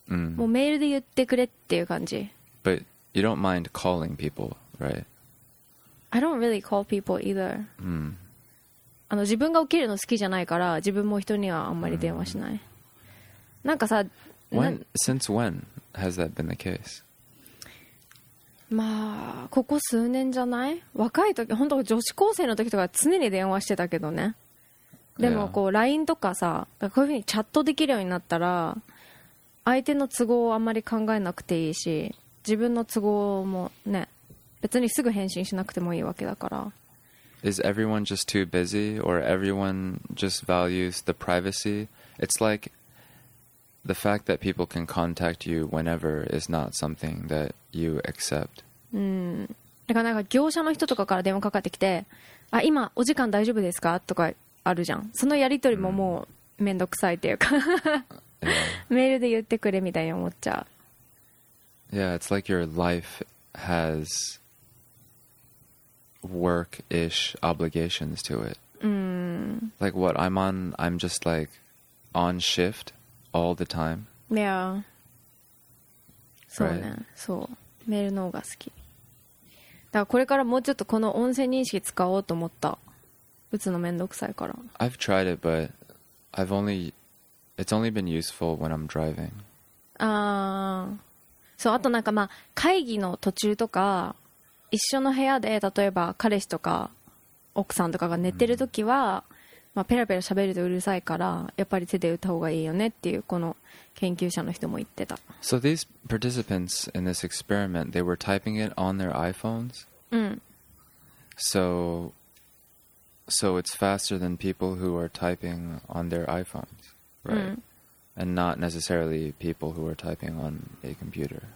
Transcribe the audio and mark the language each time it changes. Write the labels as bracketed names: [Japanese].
[Japanese] もうメールで言ってくれっていう感じ。 [English] But you don't mind calling people, right? I don't really call people either. [Japanese] あの自分が起きるの好きじゃないから自分も人にはあんまり電話しない、mm-hmm. なんかさ [English] when, since when has that been the case? [Japanese] まあここ数年じゃない若い時本当女子高生の時とか常に電話してたけどねでもこう LINE とかさかこういうふうにチャットできるようになったら相手の都合をあんまり考えなくていいし自分の都合もね別にすぐ返信しなくてもいいわけだから [English] Is everyone just too busy or everyone just values the privacy? It's like the fact that people can contact you whenever is not something that you accept. [Japanese] だからなんか業者の人とかから電話かかってきてあ今お時間大丈夫ですかとかあるじゃんそのやり取りももうめんどくさいっていうか、mm. メールで言ってくれみたいに思っちゃう [English] Yeah, it's like your life hasWork-ish obligations to it. Like what I'm on, I'm just like on shift all the time. Yeah. So, yeah. So, [Japanese] mail の方が好き。だからこれからもうちょっとこの音声認識使おうと思った。打つのめんどくさいから。 [English] I've tried it, but it's only been useful when I'm driving. [Japanese] So, あとなんかまあ会議の途中とか。一緒の部屋で例えば彼氏とか奥さんとかが寝てるときは、まあ、ペラペラ喋るとうるさいからやっぱり手で打った方がいいよねっていうこの研究者の人も言ってた [English] So these participants in this experiment they were typing it on their iPhones、うん、 So it's faster than people who are typing on their iPhones right、うん、and not necessarily people who are typing on a computer